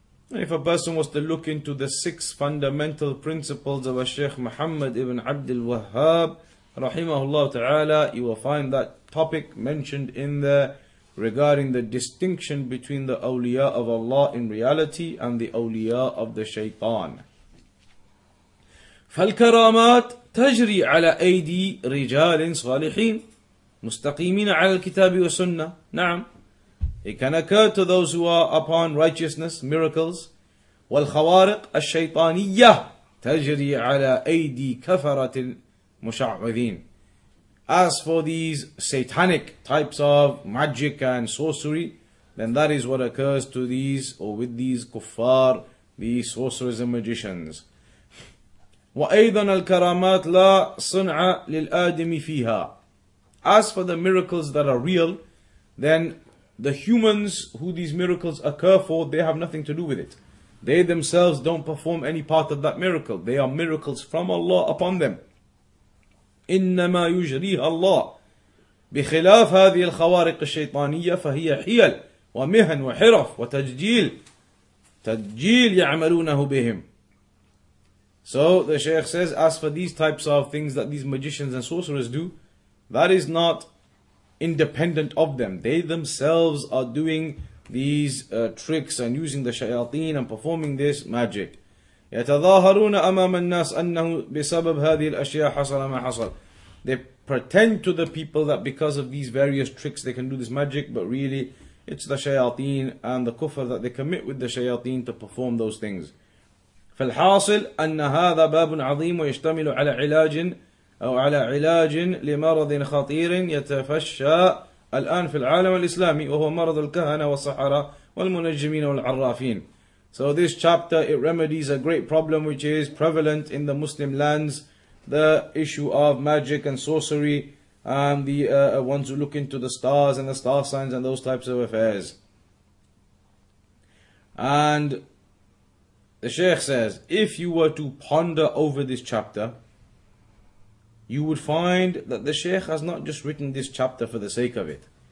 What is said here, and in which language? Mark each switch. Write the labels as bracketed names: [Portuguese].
[English] If a person was to look into the six fundamental principles of a Shaykh Muhammad ibn Abdul Wahhab, rahimahullah ta'ala, you will find that topic mentioned in there regarding the distinction between the awliya of Allah in reality and the awliya of the shaytan. [Arabic] فالكرامات تجري على أيدي رجال صالحين مستقيمين على الكتاب والسنة. نعم. [English] It can occur to those who are upon righteousness, miracles. [Arabic] والخوارق الشيطانية تجري على أيدي كفرة المشعوذين. [English] As for these satanic types of magic and sorcery, then that is what occurs to these, or with these kuffar, these sorcerers and magicians. [Arabic] وأيضا الكرامات لا صنع للآدم فيها. [English] As for the miracles that are real, then the humans who these miracles occur for, they have nothing to do with it. They themselves don't perform any part of that miracle. They are miracles from Allah upon them. [Arabic] إِنَّمَا يُجْرِيهَ اللَّهِ بِخِلَافْ هَذِي الْخَوَارِقِ الشَّيْطَانِيَّةِ فَهِيَ حِيَلْ وَمِهَنْ وَحِرَفْ وَتَجْجِيلْ تَجْجِيلْ يَعْمَلُونَهُ بِهِمْ. [English] So the Shaykh says, as for these types of things that these magicians and sorcerers do, that is not independent of them. They themselves are doing these tricks and using the shayateen and performing this magic. [Arabic] يَتَظَاهَرُونَ أَمَامَ النَّاسِ أَنَّهُ بِسَبَبْ هَذِهِ الْأَشْيَاءَ حَصَلَ مَا حَصَلَ. [English] They pretend to the people that because of these various tricks they can do this magic, but really it's the shayateen and the kufr that they commit with the shayateen to perform those things. [Arabic] فَالْحَاصِلْ أَنَّ هَذَا بَابٌ عَظِيمٌ وَيَشْتَمِلُ عَلَى عِلَاجٍ أو على علاج لمرض خطير يتفشى الآن في العالم الإسلامي وهو مرض الكهنة والسحرة والمنجمين والعرافين. [English] So this chapter, it remedies a great problem which is prevalent in the Muslim lands, the issue of magic and sorcery, and the ones who look into the stars and the star signs and those types of affairs. And the Shaykh says, if you were to ponder over this chapter, you would find that the Shaykh has not just written this chapter for the sake of it.